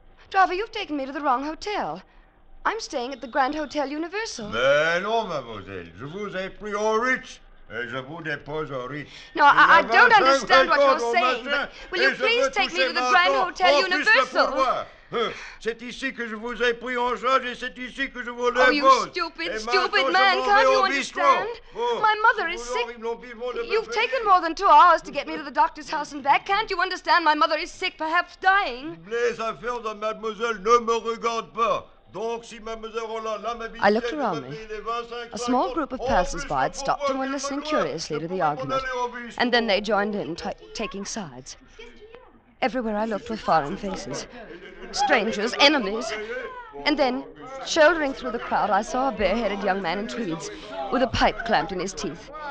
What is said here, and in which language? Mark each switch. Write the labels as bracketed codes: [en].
[en] Driver, you've taken me to the wrong hotel. I'm staying at the Grand Hotel Universal. [fr] Mais non, mademoiselle. Je vous ai pris au Ritz. Et je vous dépose au Ritz. [en] No, I don't understand what you're saying, but will you please take me to the Grand Hotel Universal? [fr] C'est ici que je vous ai pris en charge et c'est ici que je vous l'impose. [en] Oh, you stupid, stupid man, can't you understand? My mother is sick. You've taken more than 2 hours to get me to the doctor's house and back. Can't you understand? My mother is sick, perhaps dying. [fr] Les affaires de mademoiselle ne me regardent pas. Donc, si mademoiselle Roland, là, [en] I looked around me. A small group of passers-by had stopped and were listening curiously to the argument. And then they joined in, taking sides. Everywhere I looked were foreign faces. Strangers, enemies. And then, shouldering through the crowd, I saw a bareheaded young man in tweeds with a pipe clamped in his teeth.